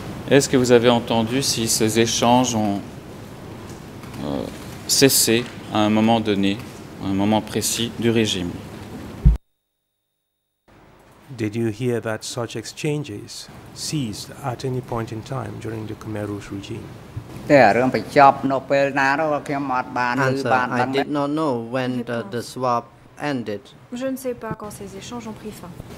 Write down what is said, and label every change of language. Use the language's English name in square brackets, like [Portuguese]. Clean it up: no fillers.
[French] Est-ce que vous avez entendu si ces échanges ont cessé à un moment donné, à un moment précis du régime? [English] Did you hear that such exchanges ceased at any point in time during the Khmer Rouge regime? Answer, I did not know when the swap ended. [French] Je ne sais pas quand ces échanges ont pris fin.